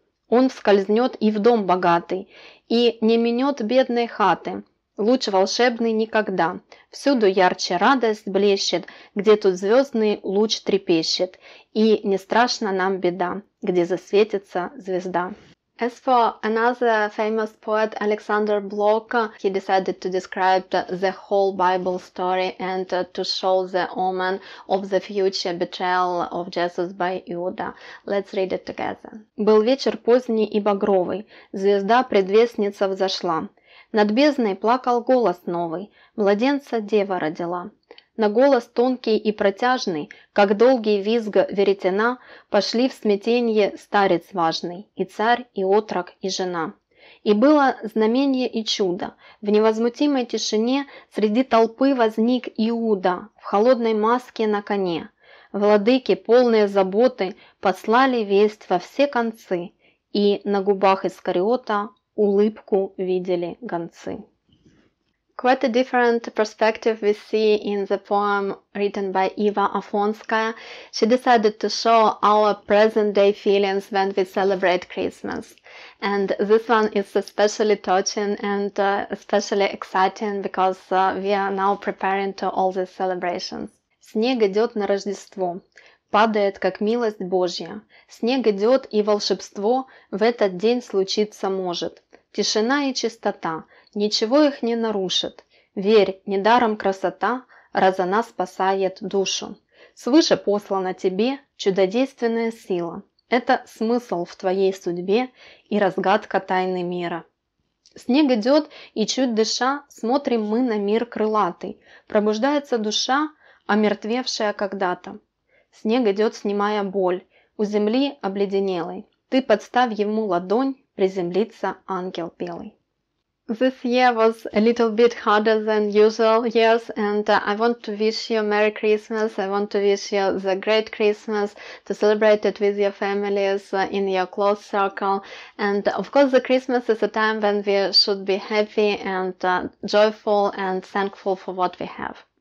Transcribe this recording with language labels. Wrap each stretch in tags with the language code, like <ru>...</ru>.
<ru>Он вскользнет и в дом богатый, и не минет бедной хаты. Луч волшебный никогда. Всюду ярче радость блещет, где тут звездный луч трепещет. И не страшна нам беда, где засветится звезда.</ru> <en>As for another famous poet, Alexander Blok, he decided to describe the whole Bible story and to show the omen of the future betrayal of Jesus by Judah. Let's read it together.</en> <ru>Был вечер поздний и багровый, звезда предвестница взошла. Над бездной плакал голос новый, младенца дева родила. На голос тонкий и протяжный, как долгий визг веретена, пошли в смятенье старец важный, и царь, и отрок, и жена. И было знамение и чудо, в невозмутимой тишине среди толпы возник Иуда в холодной маске на коне. Владыки, полные заботы, послали весть во все концы, и на губах Искариота улыбку видели гонцы.</ru> <en>Quite a different perspective we see in the poem written by Eva Afonskaya. She decided to show our present-day feelings when we celebrate Christmas. And this one is especially touching and especially exciting because we are now preparing to all these celebrations.</en> <ru>Снег идет на Рождество. Падает, как милость Божья. Снег идет, и волшебство в этот день случиться может. Тишина и чистота, ничего их не нарушит. Верь, недаром красота, раз она спасает душу. Свыше послана тебе чудодейственная сила. Это смысл в твоей судьбе и разгадка тайны мира. Снег идет, и чуть дыша, смотрим мы на мир крылатый. Пробуждается душа, омертвевшая когда-то. Снег идет, снимая боль, у земли обледенелой. Ты подставь ему ладонь, приземлится ангел белый.</ru> <en>This year was a little bit harder than usual years, and I want to wish you Merry Christmas. I want to wish you the great Christmas, to celebrate it with your families in your close circle. And of course, the Christmas is a time when we should be happy and joyful and thankful for what we have.</en>